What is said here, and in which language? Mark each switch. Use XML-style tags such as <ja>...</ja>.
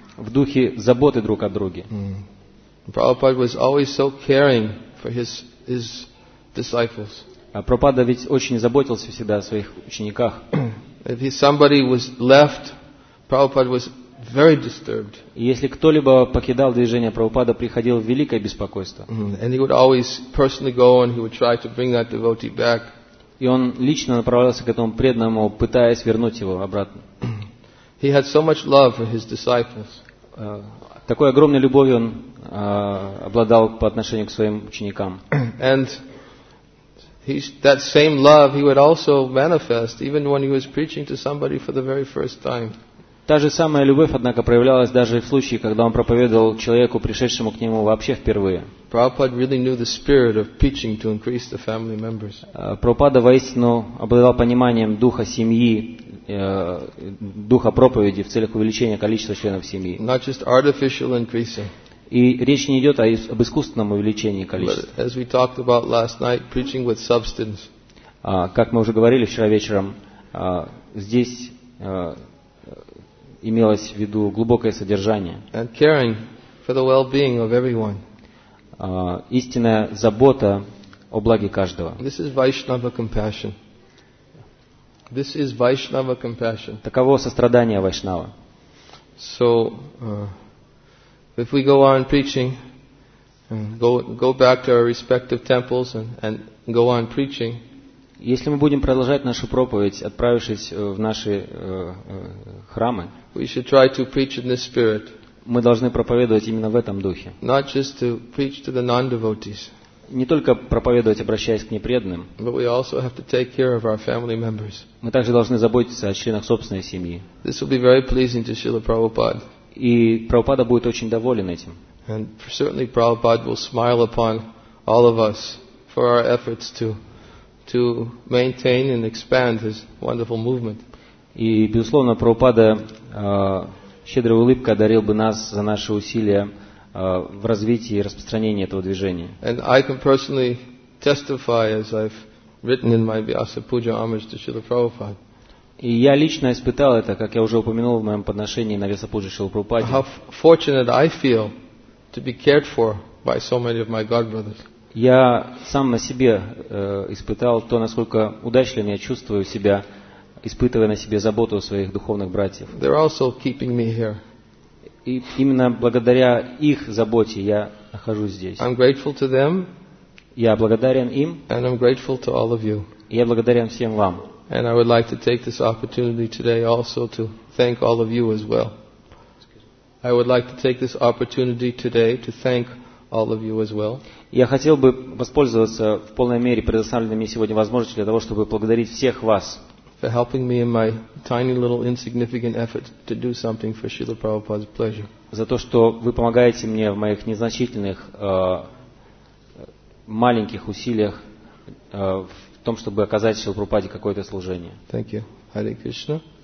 <ru>в духе заботы друг о друге.</ru> <en>Прабхупада was always so caring for his disciples.</en> <ru>Прабхупада ведь очень заботился всегда о своих учениках.</ru> <en>If somebody was left, Prabhupada was very disturbed.</en> <ru>Если кто-либо покидал движение, Прабхупада приходил в великое беспокойство.</ru> <en>And he would always personally go and he would try to bring that devotee back.</en> <ru>И он лично направлялся к этому преданному, пытаясь вернуть его обратно.</ru> <en>He had so much love for his disciples.</en> <ru>Такой огромной любовью он обладал по отношению к своим ученикам.</ru> <en>And that same love he would also manifest even when he was preaching to somebody for the very first time.</en> <ru>Та же самая любовь, однако, проявлялась даже в случае, когда он проповедовал человеку, пришедшему к нему вообще впервые.</ru> <en>Prabhupada really knew the spirit of preaching to increase the family members.</en> <ru>Прабхупада воистину обладал пониманием духа семьи духа проповеди в целях увеличения количества членов семьи.</ru> <en>Not just artificial increasing.</en> <ru>И речь не идет об искусственном увеличении количества.</ru> <en>But as we talked about last night, preaching with substance.</en> <ru>Как мы уже говорили вчера вечером, здесь имелось в виду глубокое содержание.</ru> <en>And caring for the well-being of everyone.</en> <ru>Истинная забота о благе каждого.</ru> <en>This is Vaishnava compassion. This is Vaishnava compassion.</en> <ru>Таково сострадание Вайшнава.</ru> <en>So, if we go on preaching, go back to our respective temples and go on preaching.</en> <ru>Если мы будем продолжать нашу проповедь, отправившись в наши храмы,</ru> <en>we should try to preach in this spirit.</en> <ru>Мы должны проповедовать именно в этом духе.</ru> <en>Not just to preach to the non-devotees.</en> <ru>Не только проповедовать, обращаясь к непреданным.</ru> <en>But we also have to take care of our family members.</en> <ru>Мы также должны заботиться о членах собственной семьи.</ru> <en>This will be very pleasing to Srila Prabhupada.</en> <ru>И Прабхупада будет очень доволен этим.</ru> <en>And certainly Prabhupada will smile upon all of us for our efforts to maintain and expand his wonderful movement.</en> <ru>И безусловно, Прабхупада щедрой улыбкой одарил бы нас за наши усилия в развитии и распространении этого движения.</ru> <en>And I can personally testify, as I've written in my Vyasa Puja homage to Srila Prabhupada.</en> <ru>И я лично испытал это, как я уже упомянул в моем подношении на Vyasa Puja Srila Prabhupada.</ru> <en>How fortunate I feel to be cared for by so many of my god brothers.</en> <ru>Я сам на себе испытал то, насколько удачливым я чувствую себя, испытывая на себе заботу о своих духовных братьев.</ru> <en>They're also keeping me here.</en> <ru>И именно благодаря их заботе я нахожусь здесь.</ru> <en>I'm grateful to them.</en> <ru>Я благодарен им.</ru> <en>And I'm grateful to all of you.</en> <ru>И я благодарен всем вам.</ru> <en>And I would like to take this opportunity today also to thank all of you as well. I would like to take this opportunity today to thank all of you as well.</en> <ru>Я хотел бы воспользоваться в полной мере предоставленной мне сегодня возможностью для того, чтобы поблагодарить всех вас.</ru> <en>For helping me in my tiny little insignificant effort to do something for Srila Prabhupada's pleasure.</en> <ru>За то, что вы помогаете мне в моих незначительных маленьких усилиях в том, чтобы оказать Шрила Прабхупаде какое-то служение.</ru> <en>Thank you. Hare Krishna.</en>